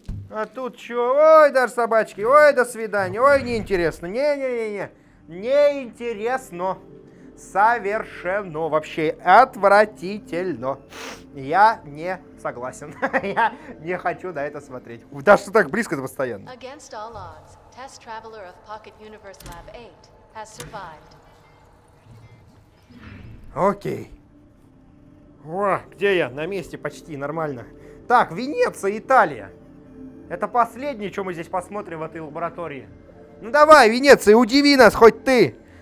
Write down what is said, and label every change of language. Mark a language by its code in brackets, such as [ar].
[ru] А тут чё? Ой, даже собачки. Ой, до свидания. Ой, неинтересно. Не-не-не-не. Неинтересно. Совершенно. Вообще отвратительно. Я не согласен. Я не хочу на это смотреть. Даже что так близко-то постоянно. [en] Against all odds, test traveler of Pocket Universe Lab 8 has survived. [ru] Окей. О, где я? На месте почти, нормально. Так, Венеция, Италия. Это последнее, что мы здесь посмотрим в этой лаборатории. Ну давай, Венеция, удиви нас хоть ты.